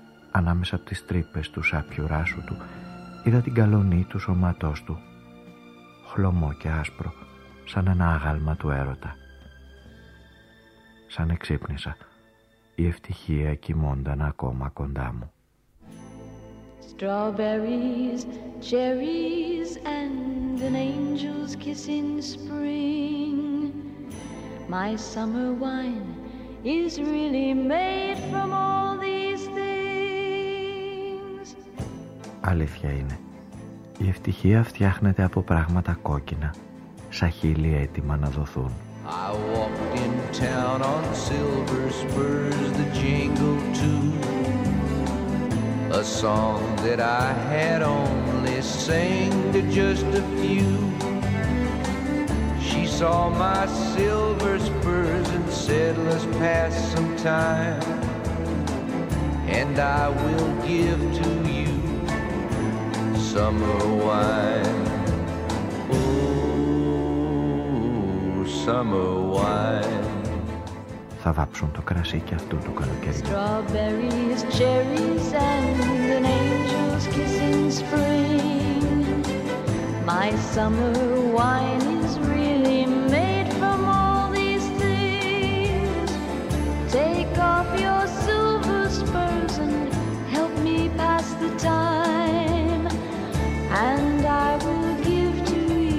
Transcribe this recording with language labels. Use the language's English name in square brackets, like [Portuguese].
[Greek] Ανάμεσα από τις τρύπες του σάπιου ράσου του είδα την καλονή του σώματός του, χλωμό και άσπρο σαν ένα άγαλμα του έρωτα. Σαν εξύπνησα, η ευτυχία κοιμόνταν ακόμα κοντά μου. [English] Strawberries, cherries and an angel's kiss in spring. My summer wine is really made from all these things. [Greek] Αλήθεια είναι, η ευτυχία φτιάχνεται από πράγματα κόκκινα, σαν χείλη έτοιμα να δοθούν. [English] I walked in town on silver spurs that jingle too. A song that I had only sang to just a few. She saw my silver spurs and said, let's pass some time. And I will give to you summer wine. Oh, summer wine. [Greek] Θα βάψουν το κρασί και αυτού του καλοκαιριού. [English] Strawberries, cherries and an angel's kiss in spring. My summer wine is really made from all these things. Take off your silver spurs and help me pass the time. And I will give to you